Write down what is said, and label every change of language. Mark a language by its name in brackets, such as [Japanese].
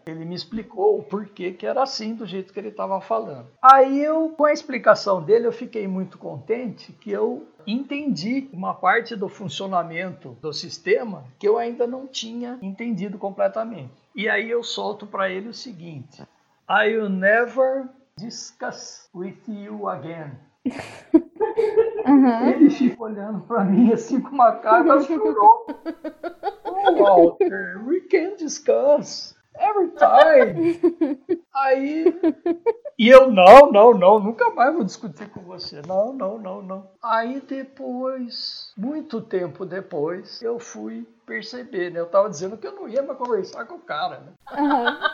[Portuguese] Ele me explicou o porquê que era assim, do jeito que ele estava falando. Aí, eu, com a explicação dele, eu fiquei muito contente que eu entendi uma parte do funcionamento do sistema que eu ainda não tinha entendido completamente. E aí, eu solto para ele o seguinte. [English] I will never discuss with you again. Uhum. [Portuguese] Ele ficou olhando para mim assim com uma cara, chorou. [English] Oh, Walter, we can discuss every time. [Portuguese] Aí, e eu, não, nunca mais vou discutir com você. Não. Aí depois, muito tempo depois, eu fui perceber, né? Eu tava dizendo que eu não ia mais conversar com o cara, né? Uhum.